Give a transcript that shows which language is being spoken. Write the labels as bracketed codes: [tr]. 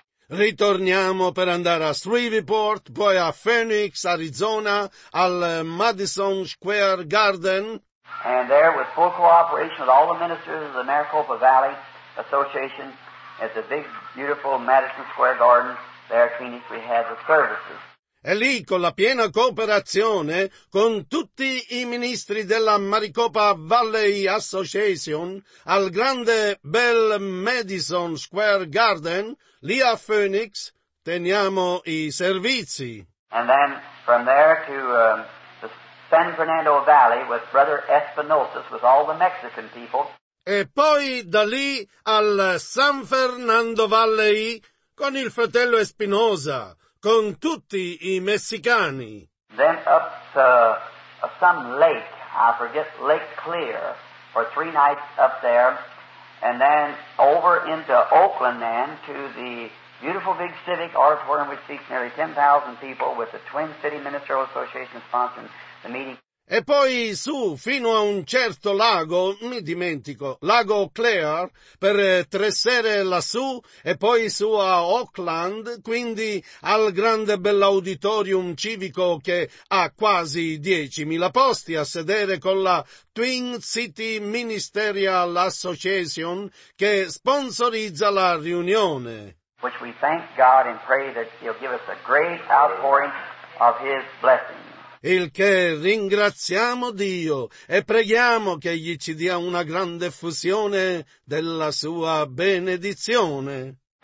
[it] Ritorniamo per andare a Shreveport, poi a Phoenix, Arizona, al Madison Square Garden. [en] And there, with full cooperation with all the ministers of the Maricopa Valley Association, at the big, beautiful Madison Square Garden, there in Phoenix, we have the services. [it] E lì, con la piena cooperazione, con tutti i ministri della Maricopa Valley Association, al grande bel Madison Square Garden, lì a Phoenix, teniamo i servizi. [en] And then, from there to the San Fernando Valley with Brother Espinosa, with all the Mexican people. [it] E poi, da lì, al San Fernando Valley, con il fratello Espinosa, con tutti i messicani. [en] Then up to some lake, I forget, Lake Clear, for three nights up there, and then over into Oakland then, to the beautiful big civic auditorium which seats nearly 10,000 people with the Twin City Ministerial Association sponsoring the meeting. [it] E poi su, fino a un certo lago, mi dimentico, Lago Clear, per tre sere lassù, e poi su a Oakland, quindi al grande bell'auditorium civico che ha quasi 10.000 posti a sedere con la Twin City Ministerial Association che sponsorizza la riunione. [en] Which we thank God and pray that He'll give us a great outpouring of his blessing. [it] Il che ringraziamo Dio e preghiamo che egli ci dia una grande effusione della sua benedizione.